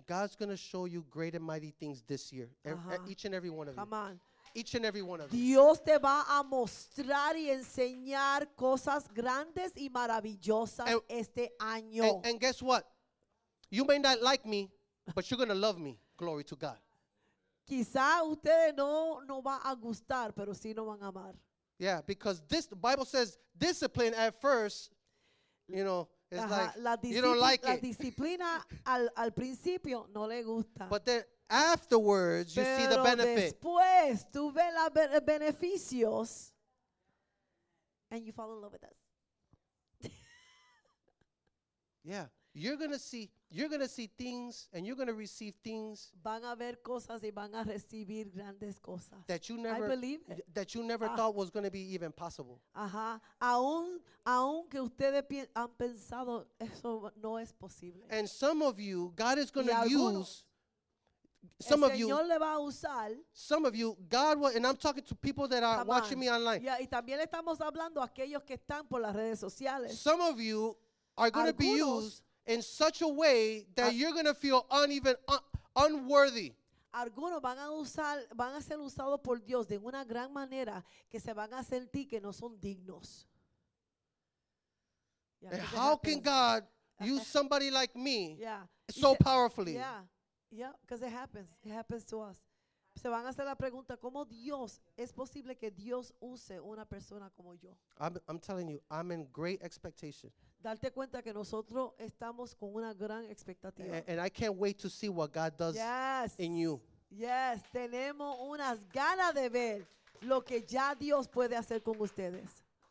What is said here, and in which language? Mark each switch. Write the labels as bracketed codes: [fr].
[en] God's going to show you great and mighty things this year. Each and every one of you. Come on. Each and every one of you. [es] Dios te va a mostrar y enseñar cosas grandes y maravillosas este año. [en] And guess what? You may not like me, but you're going to love me. Glory to God. [es] Quizá ustedes no va a gustar, pero sí no van a amar. [en] Yeah, because this, the Bible says discipline at first, you know, it's you don't like [es] it. La disciplina al principio no le gusta. [en] But then afterwards, you [es] Pero [en] see the benefit. [es] Después, tú ves los beneficios, [en] and you fall in love with us. Yeah, you're gonna see things, and you're gonna receive things. [es] Van a ver cosas y van a recibir grandes cosas. [en] That you never thought was gonna be even possible. [es] Ajá, aún que ustedes han pensado eso no es posible. [en] And some of you, God is gonna use. Some of you, God will, and I'm talking to people that are watching me online. [es] Yeah, y también estamos hablando a aquellos que están por las redes sociales. [en] Some of you are going to be used in such a way that you're going to feel unworthy. [es] Algunos van a ser usados por Dios de una gran manera que se van a sentir que no son dignos. [en] And how can God use somebody like me so powerfully? Yeah, because it happens. It happens to us. [es] Se van a hacer la pregunta, ¿cómo Dios, es posible que Dios use una persona como yo? [en] I'm telling you, I'm in great expectation. [es] Darte cuenta que nosotros estamos con una gran expectativa. [en] And I can't wait to see what God does in you. [es] Yes, tenemos unas ganas de ver lo que ya Dios puede hacer con ustedes.